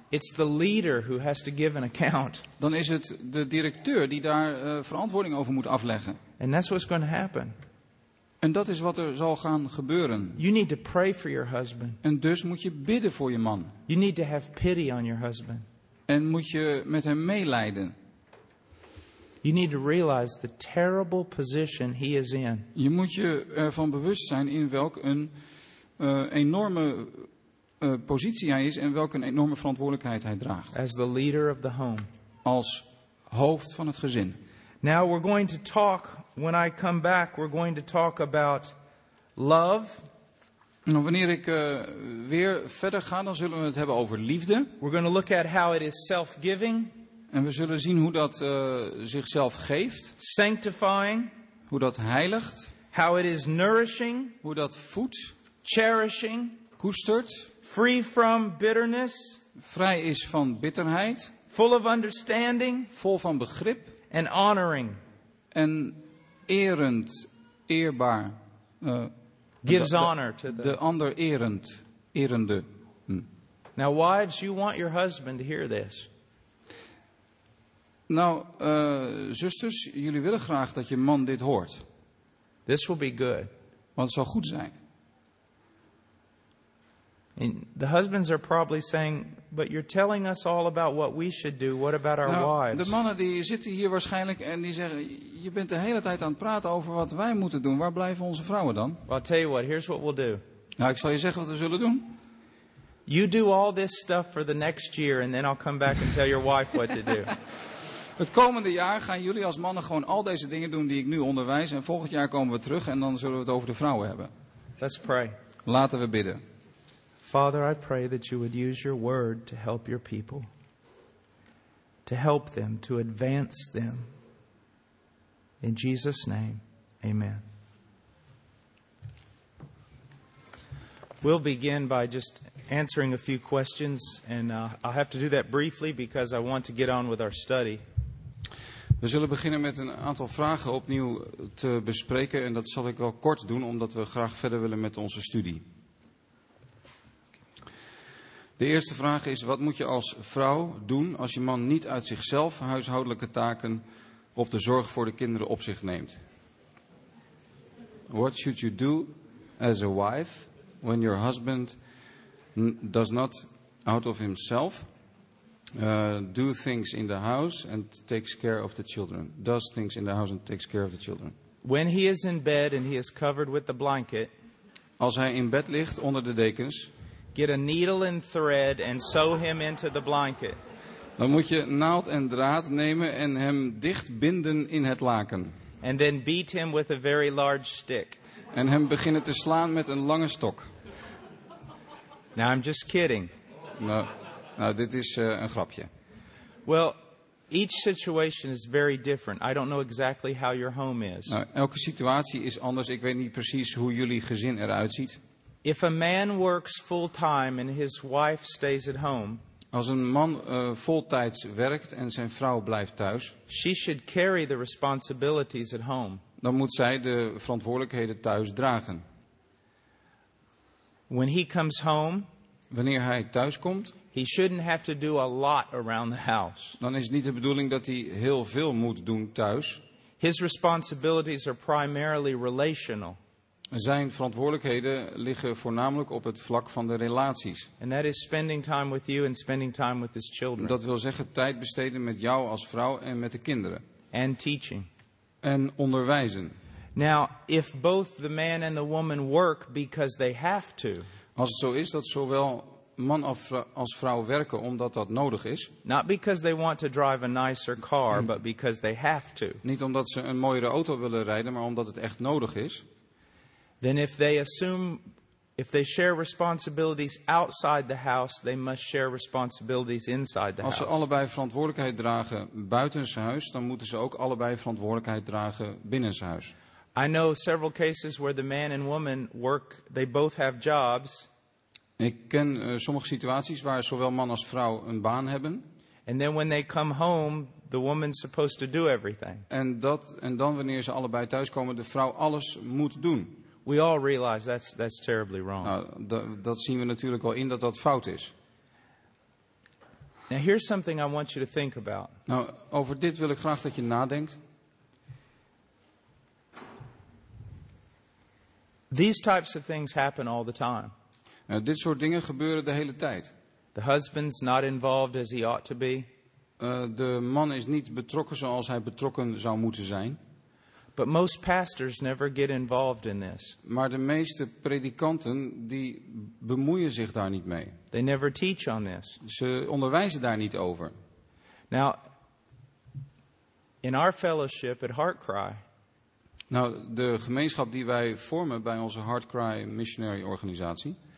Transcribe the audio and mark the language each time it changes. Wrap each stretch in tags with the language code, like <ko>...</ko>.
<en>it's the leader who has to give an account.</en> <nl>Dan is het de directeur die daar verantwoording over moet afleggen.</nl> <en>And that's what's going to happen.</en> <nl>En dat is wat er zal gaan gebeuren.</nl> <en>You need to pray for your husband.</en> <nl>En dus moet je bidden voor je man.</nl> <en>You need to have pity on your husband.</en> <nl>En moet je met hem meelijden.</nl> <en>You need to realize the terrible position he is in.</en> <nl>Je moet je ervan bewust zijn in welk een enorme positie hij is en welke een enorme verantwoordelijkheid hij draagt.</nl> <en>As the leader of the home.</en> <nl>Als hoofd van het gezin.</nl> <en>Now we're going to talk, when I come back, we're going to talk about love.</en> <nl>Nou, wanneer ik weer verder ga, dan zullen we het hebben over liefde.</nl> <en>We're going to look at how it is self-giving.</en> <nl>En we zullen zien hoe dat zichzelf geeft.</nl> <en>Sanctifying.</en> <nl>Hoe dat heiligt.</nl> <en>How it is nourishing.</en> <nl>Hoe dat voedt.</nl> <en>Cherishing.</en> <nl>Koestert.</nl> <en>Free from bitterness.</en> <nl>Vrij is van bitterheid.</nl> <en>Full of understanding.</en> <nl>Vol van begrip.</nl> <en>And honoring.</en> <nl>En erend, eerbaar.</nl> <en>Gives honor to the.</en> <nl>De ander erend, erende.</nl> <en>Now wives, you want your husband to hear this.</en> <nl>Nou, zusters, jullie willen graag dat je man dit hoort.</nl> <en>This will be good.</en> <nl>Want het zal goed zijn.</nl> <en>And the husbands are probably saying, but you're telling us all about what we should do. What about our</en> <nl>nou,</nl> <en>wives?</en> <nl>De mannen die zitten hier waarschijnlijk en die zeggen, je bent de hele tijd aan het praten over wat wij moeten doen. Waar blijven onze vrouwen dan?</nl> <en>Well, I'll tell you what, here's what we'll do.</en> <nl>Nou, ik zal je zeggen wat we zullen doen.</nl> <en>You do all this stuff for the next year and then I'll come back and tell your wife what to do.</en> <nl>Het komende jaar gaan jullie als mannen gewoon al deze dingen doen die ik nu onderwijs. En volgend jaar komen we terug en dan zullen we het over de vrouwen hebben.</nl> <en>Let's pray.</en> <nl>Laten we bidden.</nl> <en>Father, I pray that you would use your word to help your people. To help them, to advance them. In Jesus' name, amen. We'll begin by just answering a few questions. And I'll have to do that briefly because I want to get on with our study.</en> <nl>We zullen beginnen met een aantal vragen opnieuw te bespreken en dat zal ik wel kort doen omdat we graag verder willen met onze studie. De eerste vraag is, wat moet je als vrouw doen als je man niet uit zichzelf huishoudelijke taken of de zorg voor de kinderen op zich neemt?</nl> <en>What should you do as a wife when your husband does not out of himself do things in the house and takes care of the children. Does things in the house and takes care of the children. When he is in bed and he is covered with the blanket.</en> <nl>Als hij in bed ligt onder de dekens.</nl> <en>Get a needle and thread and sew him into the blanket.</en> <nl>Dan moet je naald en draad nemen en hem dicht binden in het laken.</nl> <en>And then beat him with a very large stick.</en> <nl>En hem beginnen te slaan met een lange stok.</nl> <en>Now I'm just kidding.</en> <nl>No. Nou, dit is een grapje.</nl> <en>Well, Each situation is very different. I don't know exactly how your home is.</en> <nl>Nou, elke situatie is anders. Ik weet niet precies hoe jullie gezin eruit ziet.</nl> <en>If a man works full time and his wife stays at home,</en> <nl>als een man voltijds werkt en zijn vrouw blijft thuis,</nl> <en>she should carry the responsibilities at home.</en> <nl>Dan moet zij de verantwoordelijkheden thuis dragen.</nl> <en>When he comes home,</en> <nl>wanneer hij thuis komt,</nl> <en>he shouldn't have to do a lot around the house.</en> <nl>Dan is het niet de bedoeling dat hij heel veel moet doen thuis.</nl> <en>His responsibilities are primarily relational.</en> <nl>Zijn verantwoordelijkheden liggen voornamelijk op het vlak van de relaties.</nl> <en>And that is spending time with you and spending time with his children.</en> <nl>Dat wil zeggen tijd besteden met jou als vrouw en met de kinderen.</nl> <en>And teaching.</en> <nl>En onderwijzen.</nl> <en>Now, if both the man and the woman work because they have to.</en> <nl>Als het zo is dat zowel man als vrouw werken omdat dat nodig is.</nl> <en>Not because they want to drive a nicer car, but because they have to.</en> <nl>Niet omdat ze een mooiere auto willen rijden, maar omdat het echt nodig is.</nl> <en>Then if they assume, if they share responsibilities outside the house, they must share responsibilities inside the house.</en> <nl>Als ze allebei verantwoordelijkheid dragen buitenshuis, dan moeten ze ook allebei verantwoordelijkheid dragen binnenshuis.</nl> <en>I know several cases where the man and woman work, they both have jobs.</en> <nl>Ik ken sommige situaties waar zowel man als vrouw een baan hebben.</nl> <en>And then when they come home, the woman's supposed to do everything.</en> <nl>En dan wanneer ze allebei thuiskomen, de vrouw alles moet doen.</nl> <en>We all realize that's terribly wrong.</en> <nl>Nou, dat zien we natuurlijk al in dat fout is.</nl> <en>Now here's something I want you to think about.</en> <nl>Nou, over dit wil ik graag dat je nadenkt.</nl> <en>These types of things happen all the time.</en> <nl>Nou, dit soort dingen gebeuren de hele tijd.</nl> <en>The husband's not involved as he ought to be.</en> <nl>De man is niet betrokken zoals hij betrokken zou moeten zijn.</nl> <en>But most pastors never get involved in this.</en> <nl>Maar de meeste predikanten die bemoeien zich daar niet mee.</nl> <en>They never teach on this.</en> <nl>Ze onderwijzen daar niet over.</nl> <en>Now, in our fellowship at Heartcry.</en> <nl>Nou, de gemeenschap die wij vormen bij onze Heartcry missionary organisatie.</nl>